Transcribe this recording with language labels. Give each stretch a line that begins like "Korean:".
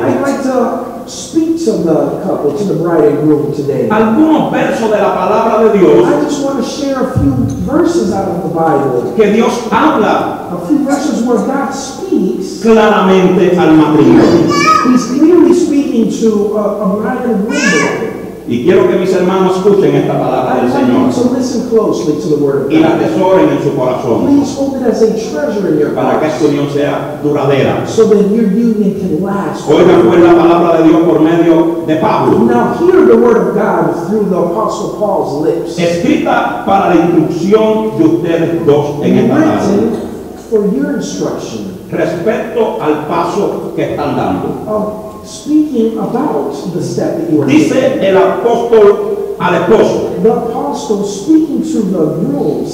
English: I'd like to speak to the couple, to the bride and groom today.
Spanish: Algunos versos de la palabra de Dios.
English: I just want to share a few verses out of the Bible.
Spanish: Que Dios habla.
English: A few verses where God speaks
Spanish: claramente al matrimonio.
English: He's clearly speaking to a bride and groom.
Spanish: Y quiero que mis hermanos escuchen esta palabra del Señor.
English: So listen closely to the word.
Spanish: Y la atesoren en su corazón.
English: Please hold it as a treasure in your heart.
Spanish: Para que esta unión sea duradera.
English: So that your union can last.
Spanish: Oiga pues la palabra de Dios por medio de Pablo.
English: Now hear the word of God through the Apostle Paul's lips.
Spanish: Escrita para la instrucción de ustedes dos en esta tarde.
English: For your instruction.
Spanish: Respecto al paso que están dando.
English: Speaking about the step that you are
Spanish: dice Dice el apóstol al esposo.
English: The apostle speaking to the groom.